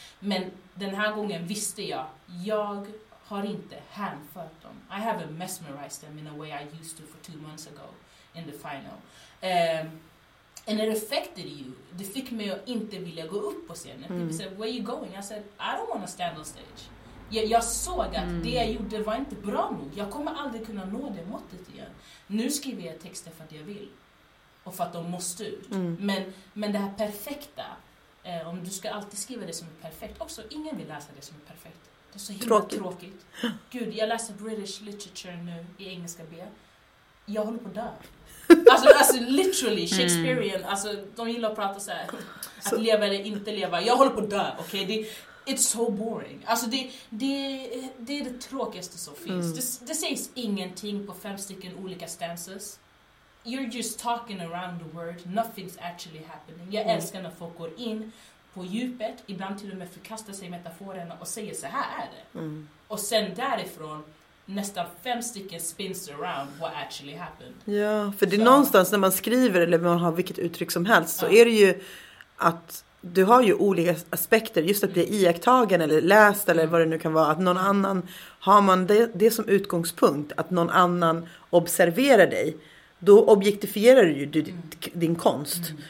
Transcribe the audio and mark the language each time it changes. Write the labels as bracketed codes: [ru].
[sv] Men den här gången visste jag har inte hänfört dem. [en] I haven't mesmerized them in a way I used to for 2 months ago in the final. And it affected you. [sv] Det fick mig att inte vilja gå upp på scenen. [en] People said, where are you going? I said, I don't want to stand on stage. [sv] Jag såg att det jag gjorde var inte bra nog. Jag kommer aldrig kunna nå det måttet igen. Nu skriver jag texter för att jag vill. Och för att de måste ut. Men det här perfekta, om du ska alltid skriva det som är perfekt, också ingen vill läsa det som är perfekt. Det är så himla tråkigt. Gud, jag läser British literature nu i engelska B. Jag håller på att dö. Alltså literally, Shakespearean. Alltså, de gillar att prata så här. Att leva eller inte leva. Jag håller på att dö, okej? [en] It's so boring. [sv] Alltså det är det tråkigaste som finns. Det sägs ingenting på 5 stycken olika stances. [en] you're just talking around the word. Nothing's actually happening. [sv] Jag älskar när folk går in på djupet, ibland till och med förkastar sig metaforerna och säger så här är det. Mm. Och sen därifrån nästan 5 stycken [en] spins around what actually happened. [sv] Ja, för det är så, någonstans när man skriver eller man har vilket uttryck som helst så är det ju att du har ju olika aspekter, just att bli iakttagen eller läst eller vad det nu kan vara, att någon annan, har man det som utgångspunkt, att någon annan observerar dig, då objektifierar du ju din konst.